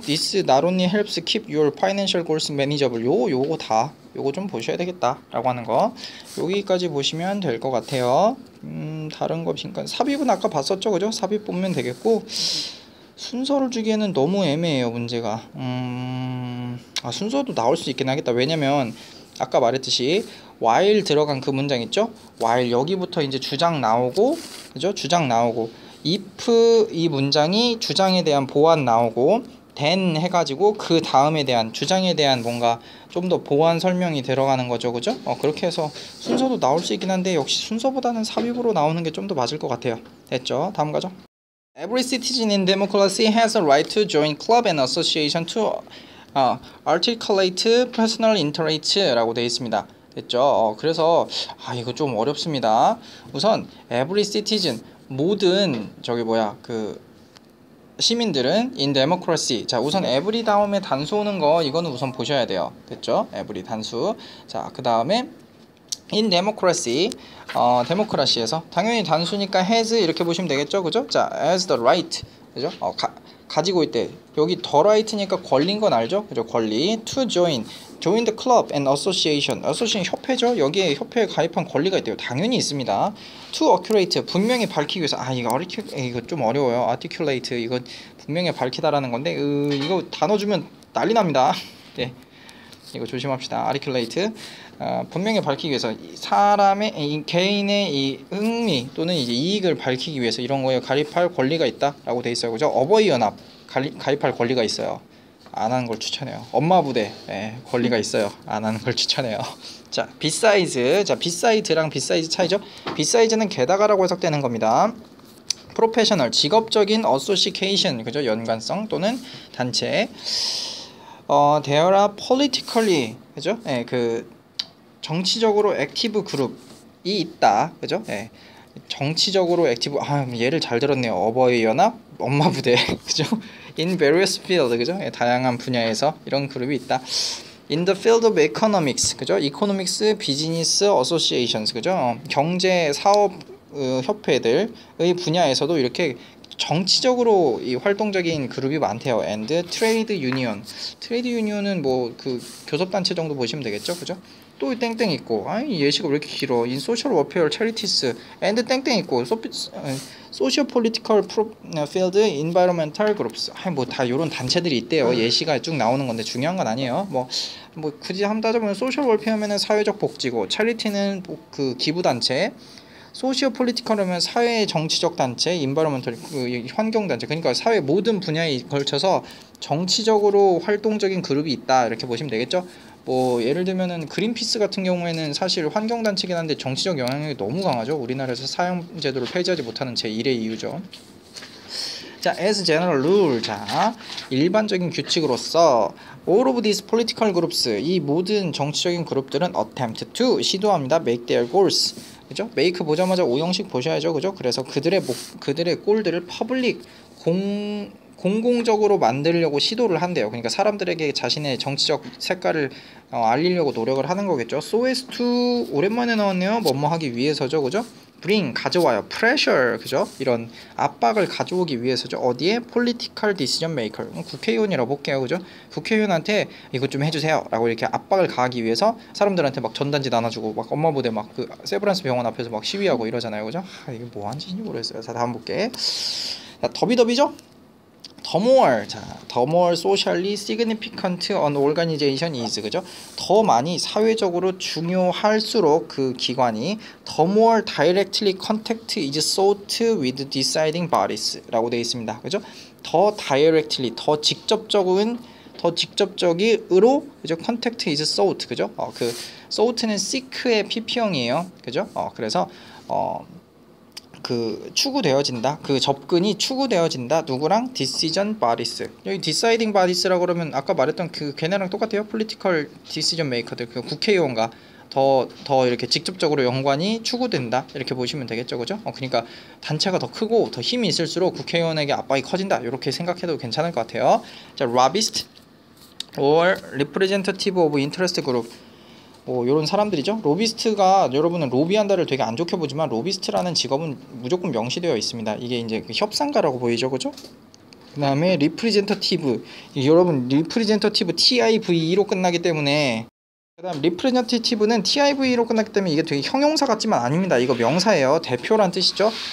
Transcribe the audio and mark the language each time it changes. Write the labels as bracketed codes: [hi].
[en] This not only helps keep your financial goals manageable. [ko] 요거 다 요거 좀 보셔야 되겠다 라고 하는 거 여기까지 보시면 될 것 같아요. 다른 거 잠깐 삽입은 아까 봤었죠, 그죠? 삽입 보면 되겠고, 순서를 주기에는 너무 애매해요 문제가. 아 순서도 나올 수 있긴 하겠다. 왜냐면 아까 말했듯이 while 들어간 그 문장 있죠, while 여기부터 이제 주장 나오고, 그죠? 주장 나오고 if 이 문장이 주장에 대한 보완 나오고 then 해가지고 그 다음에 대한 주장에 대한 뭔가 좀 더 보완 설명이 들어가는 거죠, 그죠? 그렇게 해서 순서도 나올 수 있긴 한데 역시 순서보다는 삽입으로 나오는 게 좀 더 맞을 것 같아요. 됐죠? 다음 가죠. [en] Every citizen in democracy has a right to join club and association to articulate personal interests [ko] 라고 되어 있습니다. 됐죠? 그래서 아 이거 좀 어렵습니다. 우선 every citizen 모든 저기 뭐야 그 시민들은 in democracy. 자 우선 every 다음에 단수 오는 거 이거는 우선 보셔야 돼요. 됐죠? every 단수. 자 그 다음에 in democracy, democracy에서 당연히 단수니까 has 이렇게 보시면 되겠죠, 그죠? 자 as the right, 그죠? 가지고 있대. 여기 the right니까 권리인 건 알죠, 그죠? 권리 [en] to join, join the club and association. [ko] association 협회죠. 여기에 협회에 가입한 권리가 있대요. 당연히 있습니다. to articulate 분명히 밝히기 위해서. 아 이거 이거 좀 어려워요. articulate 이거 분명히 밝히다라는 건데 이거 단어 주면 난리 납니다. 네. 이거 조심합시다. articulate 분명히 밝히기 위해서 사람의 개인의 이 흥미 또는 이제 이익을 밝히기 위해서 이런 거에 가입할 권리가 있다라고 돼 있어요, 그죠? 어버이 연합 가입할 권리가 있어요. 안 하는 걸 추천해요. 엄마 부대 네, 권리가 있어요. 안 하는 걸 추천해요. 자, 빗사이즈. 자, 빗사이즈랑 빗사이즈 차이죠? 빗사이즈는 게다가라고 해석되는 겁니다. 프로페셔널 직업적인 어소시케이션, 그죠? 연관성 또는 단체. [en] There are politically, 그죠? [ko] 예, 그 정치적으로 액티브 그룹이 있다, 그죠? 예, 정치적으로 액티브. 아, 예를 잘 들었네요. 어버이 연합, 엄마 부대, 그죠? [en] In various fields, 그죠? [ko] 예, 다양한 분야에서 이런 그룹이 있다. [en] In the field of economics, 그죠? Economics, business associations, 그죠? [ko] 경제 사업 협회들의 분야에서도 이렇게 정치적으로 이 활동적인 그룹이 많대요. [en] And trade union. [ko] Trade union은 뭐 그 교섭단체 정도 보시면 되겠죠, 그죠? 또 땡땡 있고, 아니 예시가 왜 이렇게 길어? [en] In social welfare charities. And [ko] 땡땡 있고, [en] social political field, environmental groups. [ko] 아니 뭐 다 이런 단체들이 있대요. 예시가 쭉 나오는 건데 중요한 건 아니에요. 뭐 굳이 한번 따져보면 social welfare면은 사회적 복지고, charity는 뭐 그 기부 단체. 소시오폴리티컬하면 사회 정치적 단체, 인바이러먼털 환경 단체. 그러니까 사회 모든 분야에 걸쳐서 정치적으로 활동적인 그룹이 있다 이렇게 보시면 되겠죠. 뭐 예를 들면은 그린피스 같은 경우에는 사실 환경 단체긴 한데 정치적 영향력이 너무 강하죠. 우리나라에서 사형 제도를 폐지하지 못하는 제 1의 이유죠. [en] 자, as general rule, [ko] 자 일반적인 규칙으로서 [en] all of these political groups, [ko] 이 모든 정치적인 그룹들은 [en] attempt to [ko] 시도합니다. [en] make their goals. 그죠? [ko] make 보자마자 5형식 보셔야죠, 그죠? 그래서 그들의 골들을 public 공공적으로 만들려고 시도를 한대요. 그러니까 사람들에게 자신의 정치적 색깔을 알리려고 노력을 하는 거겠죠. [en] So as to [ko] 오랜만에 나왔네요. 뭐뭐 하기 위해서죠. 그죠? Bring 가져와요. Pressure 그죠? 이런 압박을 가져오기 위해서죠. 어디에? Political decision maker 국회의원이라고 볼게요. 그죠? 국회의원한테 이것 좀 해주세요 라고 이렇게 압박을 가하기 위해서 사람들한테 막 전단지 나눠주고 막 엄마 부대 막 그 세브란스 병원 앞에서 막 시위하고 이러잖아요. 그죠? 아, 이게 뭐 하는 짓인지 모르겠어요. 자 다음 볼게. 자 더비더비죠? [en] The more, 자, the more socially significant an organization is, 그죠? [ko] 더 많이 사회적으로 중요할수록 그 기관이 [en] the more directly contact is sought with deciding bodies [ko] 라고 되어 있습니다. 그죠? The directly, 더 직접적인, 더 직접적으로, 그죠? [en] contact is sought, 그죠? [ko] 그 sought는 seek의 PP형이에요. 그죠? 그래서, 그 추구되어진다. 그 접근이 추구되어진다. 누구랑? decision bodies. 여기 deciding bodies라고 그러면 아까 말했던 그 걔네랑 똑같아요. political decision maker들. 그 국회의원과 더 이렇게 직접적으로 연관이 추구된다. 이렇게 보시면 되겠죠. 그죠? 그러니까 단체가 더 크고 더 힘이 있을수록 국회의원에게 압박이 커진다. 이렇게 생각해도 괜찮을 것 같아요. [en] 자, lobbyist or representative of interest group. [ko] 뭐 요런 사람들이죠. 로비스트가 여러분은 로비한다를 되게 안 좋게 보지만 로비스트라는 직업은 무조건 명시되어 있습니다. 이게 이제 협상가라고 보이죠. 그죠? 그 다음에 리프레젠터티브. 여러분 리프레젠터티브 TIVE로 끝나기 때문에 그 다음 리프레젠터티브는 TIVE로 끝나기 때문에 이게 되게 형용사 같지만 아닙니다. 이거 명사예요. 대표란 뜻이죠.